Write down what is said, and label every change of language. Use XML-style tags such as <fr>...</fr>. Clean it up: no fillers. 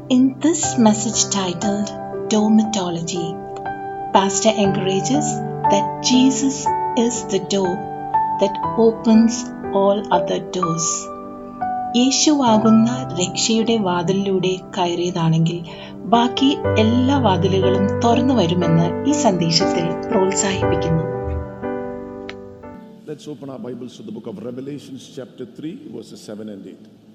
<en>In this message titled Doormatology, Pastor encourages that Jesus is the door that opens all other doors.</en> <ml>യേശുവാകുന്ന രക്ഷയുടെ വാതിലിലൂടെ കയറിയതാണെങ്കിൽ ബാക്കി എല്ലാ വാതിലുകളും തുറന്നു വരുമെന്ന് ഈ സന്ദേശത്തിൽ പ്രോത്സാഹിപ്പിക്കുന്നു.</ml> <en>Let's open our Bibles to the book of Revelation, chapter 3, verses 7 and 8.</en>